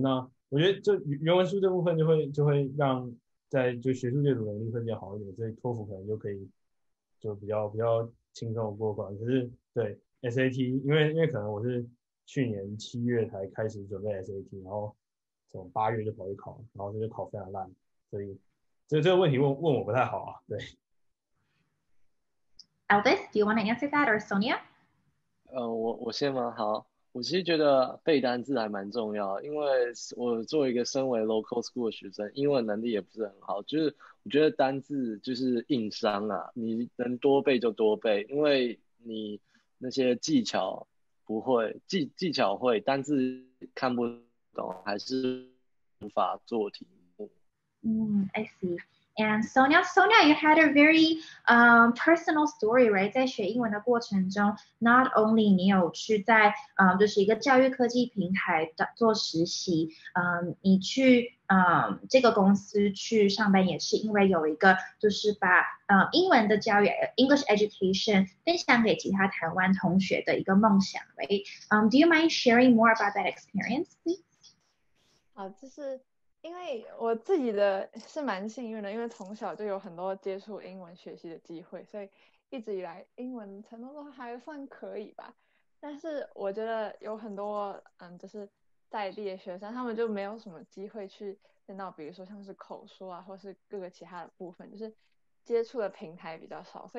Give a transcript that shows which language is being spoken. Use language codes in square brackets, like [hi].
[zh] 那我觉得这原文书这部分就会让在就学术阅读能力会比较好一点，所以托福可能就可以就比较轻松过关。可是对 SAT，因为可能我是去年7月才开始准备 SAT，然后从8月就跑去考，然后这就考非常烂，所以这个问题问我不太好啊。对， [en] Elvis, do you want to answer that or Sonia? [zh] 我先吗？好，我其实觉得背单字还蛮重要，因为我作为一个身为 local school 的学生，英文能力也不是很好，就是我觉得单字就是硬伤啊，你能多背就多背，因为你那些技巧。不会，技巧会，单字看不懂，还是无法做题目。 [en] I see. And Sonia, you had a very personal story, right? [zh] 在学英文的过程中， [en] not only [zh] 你有去在就是一个教育科技平台的做实习，你去这个公司去上班也是因为有一个就是把英文的教育 [en] English education [zh] 分享给其他台湾同学的一个梦想， [en] right? Do you mind sharing more about that experience, please? [zh] 啊，就是因为我自己的是蛮幸运的，因为从小就有很多接触英文学习的机会，所以一直以来英文程度都还算可以吧。但是我觉得有很多就是在地的学生，他们就没有什么机会去见到，比如说像是口说啊，或是各个其他的部分，就是接触的平台比较少。